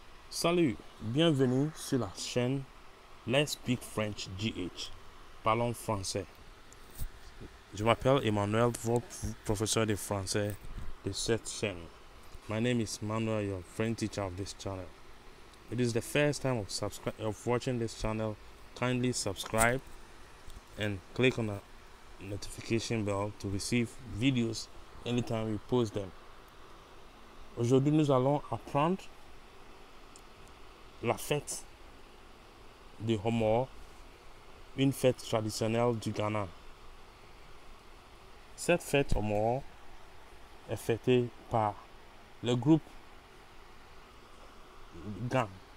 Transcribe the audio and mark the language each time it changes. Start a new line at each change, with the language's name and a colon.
French: Salut, bienvenue sur la chaîne Let's Speak French GH. Parlons français. Je m'appelle Emmanuel, votre professeur de français de cette chaîne.
English: My name is Manuel, your French teacher of this channel. It is the first time of watching this channel. Kindly subscribe and click on the notification bell to receive videos anytime we post them.
French: Aujourd'hui, nous allons apprendre la fête de Homor, une fête traditionnelle du Ghana. Cette fête Homor est fêtée par le groupe Gang.